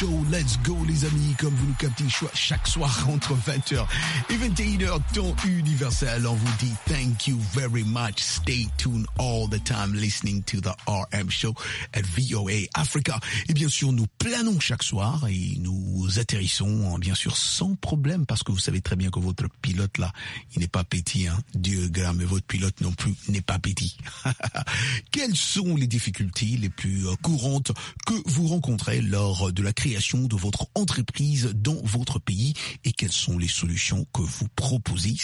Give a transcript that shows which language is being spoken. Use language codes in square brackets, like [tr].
[en] Let's go [fr] les amis, comme vous nous captez chaque soir entre 20h et 21h, temps universel. On vous dit [en] thank you very much. Stay tuned all the time listening to the RM Show at VOA Africa. [fr] Et bien sûr, nous planons chaque soir et nous atterrissons, bien sûr, sans problème, parce que vous savez très bien que votre pilote là, il n'est pas petit, hein. Dieu grand, mais votre pilote non plus n'est pas petit. Quelles sont les difficultés les plus courantes que vous rencontrez lors de la création de votre entreprise dans votre pays et quelles sont les solutions que vous proposez?